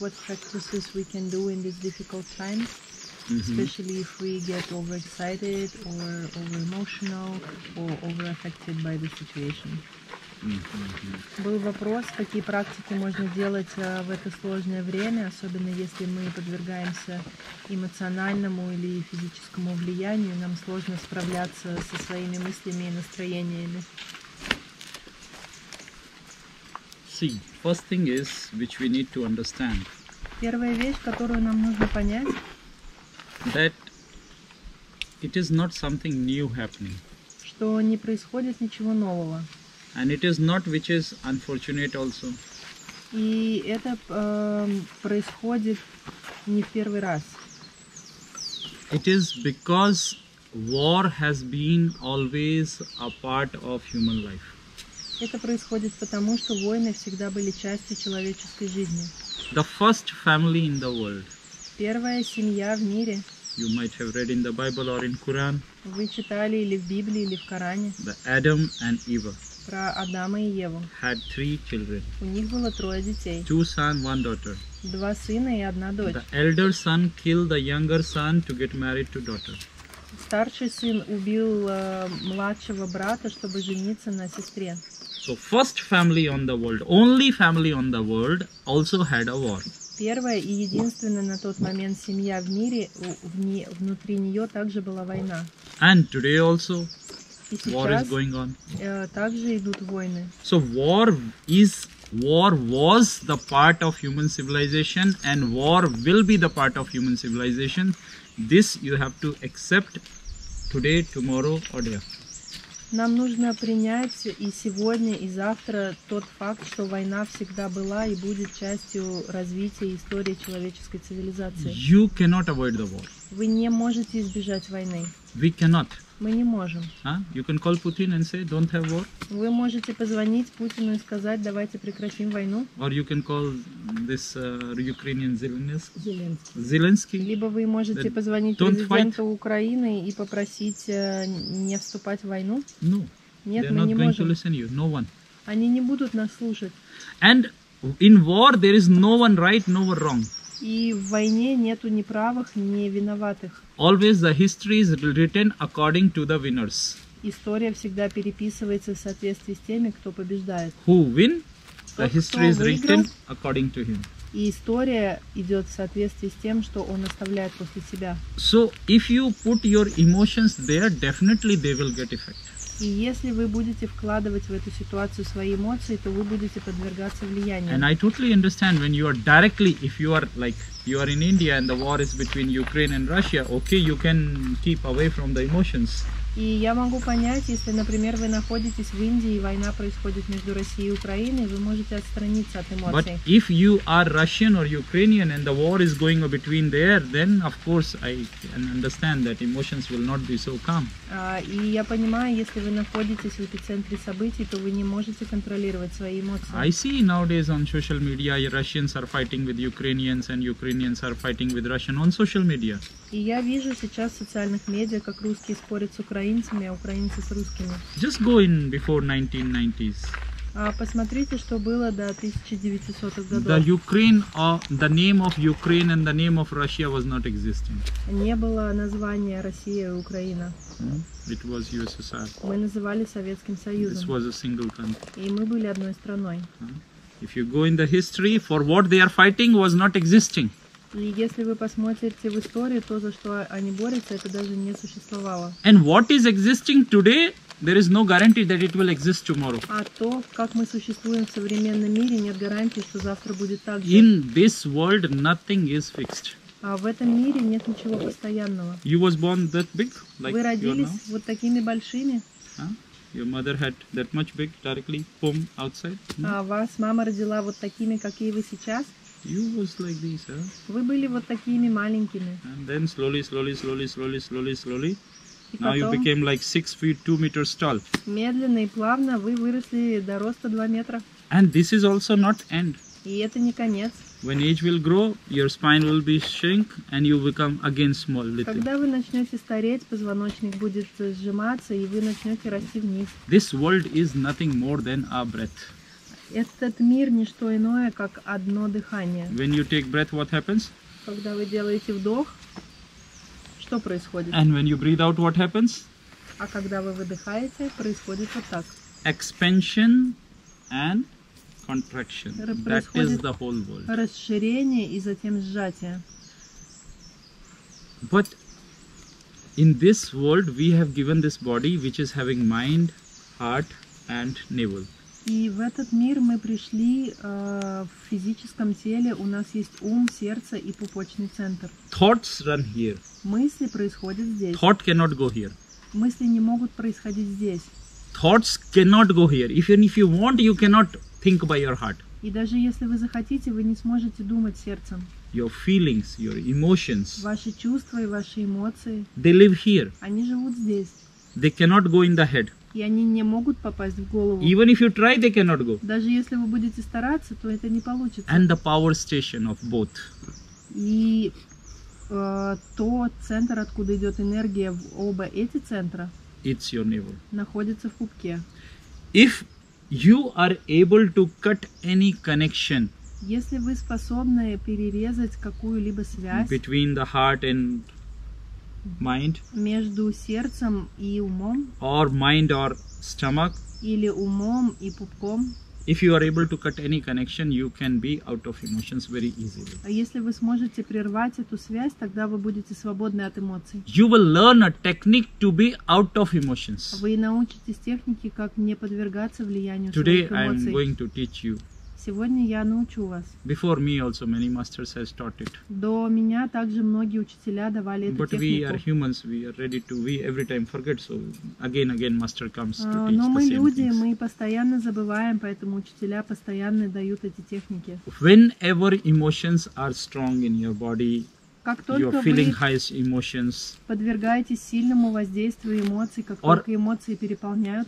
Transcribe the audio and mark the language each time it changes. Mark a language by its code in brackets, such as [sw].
[en] What practices we can do in this difficult time, especially if we get overexcited or over emotional or over affected by the situation. [ru] Был вопрос, какие практики можно делать в это сложное время, особенно если мы подвергаемся эмоциональному или физическому влиянию, нам сложно справляться со своими мыслями и настроениями. [en] See, first thing is, which we need to understand. [ru] Первая вещь, которую нам нужно понять, [en] that it is not something new happening. [ru] Что не происходит ничего нового. [en] And it is not which is unfortunate also. [ru] И это происходит не в первый раз. [en] It is because war has been always a part of human life. [ru] Это происходит потому, что войны всегда были частью человеческой жизни. [en] The first family in the world. [ru] Первая семья в мире. [en] You might have read in the Bible or in Quran. [ru] Вы читали или в Библии, или в Коране. [en] The Adam and Eve. [ru] Про Адама и Еву. [en] Had three children. [ru] У них было трое детей. [en] Two son, one daughter. [ru] Два сына и одна дочь. [en] The elder son killed the younger son to get married to daughter. [ru] Старший сын убил младшего брата, чтобы жениться на сестре. [en] So first family on the world, only family on the world, also had a war. [ru] Первая и единственная на тот момент семья в мире, внутри нее также была война. [en] And today also. [ru] И сейчас [en] war is going on. [ru] Также идут войны. [en] So war was the part of human civilization, and war will be the part of human civilization. This you have to accept today, tomorrow, or day. [ru] Нам нужно принять и сегодня, и завтра тот факт, что война всегда была и будет частью развития истории человеческой цивилизации. [en] You cannot avoid the war. [ru] Вы не можете избежать войны. [en] We cannot. [ru] Мы не можем. [en] You can call Putin and say, don't have war. [ru] Вы можете позвонить Путину и сказать, давайте прекратим войну. [en] Or you can call this Ukrainian Zelensky. [ru] Либо вы можете позвонить президенту Украины и попросить не вступать в войну. [en] No. [ru] Нет, [en] they're [ru] мы [en] not [ru] не [en] going [ru] можем. [en] To listen you. No one. [ru] Они не будут нас слушать. [en] And in war there is no one right, no one wrong. [ru] И в войне нету ни правых, ни виноватых. [en] Always the history is written according to the winners. [ru] История всегда переписывается в соответствии с теми, кто побеждает. [en] Who win? The history is written according to him. [ru] И история идет в соответствии с тем, что он оставляет после себя. [en] So if you put your emotions there, definitely they will get effect. [ru] И если вы будете вкладывать в эту ситуацию свои эмоции, то вы будете подвергаться влиянию. [en] And I totally understand when you are directly, if you are like, you are in India and the war is between Ukraine and Russia, okay, you can keep away from the emotions. [ru] И я могу понять, если, например, вы находитесь в Индии и война происходит между Россией и Украиной, вы можете отстраниться от эмоций. [en] But if you are Russian or Ukrainian and the war is going between there, then of course I can understand that emotions will not be so calm. [ru] И я понимаю, если вы находитесь в эпицентре событий, то вы не можете контролировать свои эмоции. [en] I see nowadays on social media Russians are fighting with Ukrainians and Ukrainians are fighting with Russians on social media. [ru] И я вижу сейчас в социальных медиа, как русские спорят с украинцами, а украинцы с русскими. [en] Just go in before 1990s. [ru] Посмотрите, что было до 1900-х годов. [en] The Ukraine, the name of Ukraine and the name of Russia was not existing. [ru] Не было названия Россия и Украина. [en] It was USSR. [ru] Мы называли Советским Союзом. [en] This was a single country. [ru] И мы были одной страной. [en] If you go in the history, for what they are fighting was not existing. [ru] И если вы посмотрите в историю, то, за что они борются, это даже не существовало. [en] And what is existing today, there is no guarantee that it will exist tomorrow. [ru] А то, как мы существуем в современном мире, нет гарантии, что завтра будет так же. [en] In this world, nothing is fixed. [ru] А в этом мире нет ничего постоянного. [en] You was born that big, like [ru] вы родились вот такими большими? [en] Your mother had that much big, directly, boom, outside? No? [ru] А вас мама родила вот такими, какие вы сейчас? [en] You was like this, [ru] Вы были вот такими маленькими. [en] And then slowly, slowly, slowly, slowly, slowly, slowly, Now you became like 6 feet 2 meters tall. [ru] Медленно и плавно вы выросли до роста 2 метра. [en] And this is also not end. [ru] И это не конец. [en] When age will grow, your spine will be shrink and you become again small little. [ru] Когда вы начнете стареть, позвоночник будет сжиматься и вы начнете расти вниз. [en] This world is nothing more than our breath. [ru] Этот мир не что иное, как одно дыхание. [en] When you take breath, what happens? [ru] Когда вы делаете вдох, что происходит? [en] And when you breathe out, what happens? [ru] А когда вы выдыхаете, происходит вот так. [en] Expansion and contraction. That is the whole world. [ru] Расширение и затем сжатие. [en] But in this world we have given this body which is having mind, heart and navel. [ru] И в этот мир мы пришли в физическом теле, у нас есть ум, сердце и пупочный центр. [en] Thoughts run here. [ru] Мысли происходят здесь. [en] Thought cannot go here. [ru] Мысли не могут происходить здесь. [en] Thoughts cannot go here. If you want, you cannot think by your heart. [ru] И даже если вы захотите, вы не сможете думать сердцем. [en] Your feelings, your emotions. [ru] Ваши чувства и ваши эмоции. [en] They live here. [ru] Они живут здесь. [en] They cannot go in the head. [ru] И они не могут попасть в голову. [en] Even if you try, they cannot go. [ru] Даже если вы будете стараться, то это не получится. [en] And the power station of both. [ru] И тот центр, откуда идет энергия в оба эти центра, [en] it's your navel. [ru] Находится в пупке. [en] If you are able to cut any connection, [ru] если вы способны перерезать какую-либо связь [en] between the heart and mind, [ru] между сердцем и умом, [en] or mind or stomach, [ru] или умом и пупком, [en] if you are able to cut any connection, you can be out of emotions very easily. [ru] Если вы сможете прервать эту связь, тогда вы будете свободны от эмоций. [en] You will learn a technique to be out of emotions. [ru] Вы научитесь технике, как не подвергаться влиянию своих эмоций. [en] Today I am going to teach you. [ru] Сегодня я научу вас. [en] Before me also many masters have taught it. [ru] До меня также многие учителя давали эту [en] But [ru] технику. [en] But we are humans, we are ready to, we every time forget, so again master comes to teach the same things. [ru] Но мы люди, [en] things. [ru] Мы постоянно забываем, поэтому учителя постоянно дают эти техники. [en] Whenever emotions are strong in your body, [ru] как только [en] you're feeling [ru] вы [en] highest emotions, [ru] подвергаетесь сильному воздействию эмоций, как [en] or, [ru] только эмоции переполняют